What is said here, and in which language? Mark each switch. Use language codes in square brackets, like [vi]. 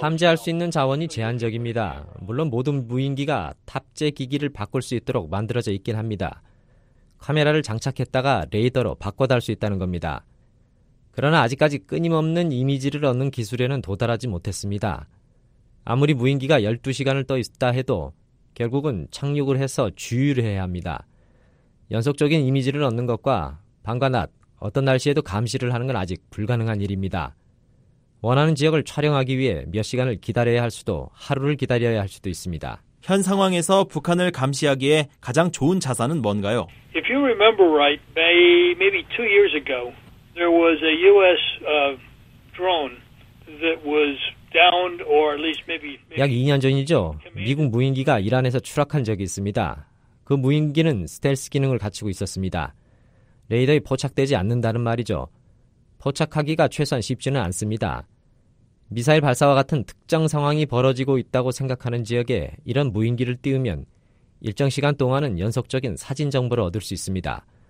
[ko] 탐지할 수 있는 자원이 제한적입니다. 물론 모든 무인기가 탑재 기기를 바꿀 수 있도록 만들어져 있긴 합니다. 카메라를 장착했다가 레이더로 바꿔 달 수 있다는 겁니다. 그러나 아직까지 끊임없는 이미지를 얻는 기술에는 도달하지 못했습니다. 아무리 무인기가 12시간을 떠 있다 해도 결국은 착륙을 해서 주유를 해야 합니다. 연속적인 이미지를 얻는 것과 밤과 낮 어떤 날씨에도 감시를 하는 건 아직 불가능한 일입니다. 원하는 지역을 촬영하기 위해 몇 시간을 기다려야 할 수도 하루를 기다려야 할 수도 있습니다. 현 상황에서 북한을 감시하기에 가장 좋은 자산은 뭔가요? [en] If you remember right, maybe 2 years ago, there was a U.S. drone that was downed, or at least maybe [ko] 약 2년 전이죠. 미국 무인기가 이란에서 추락한 적이 있습니다. 그 무인기는 스텔스 기능을 갖추고 있었습니다. 레이더에 포착되지 않는다는 말이죠. 포착하기가 최소한 쉽지는 않습니다. 미사일 발사와 같은 특정 상황이 벌어지고 있다고 생각하는 지역에 이런 무인기를 띄우면 일정 시간 동안은 연속적인 사진 정보를 얻을 수 있습니다.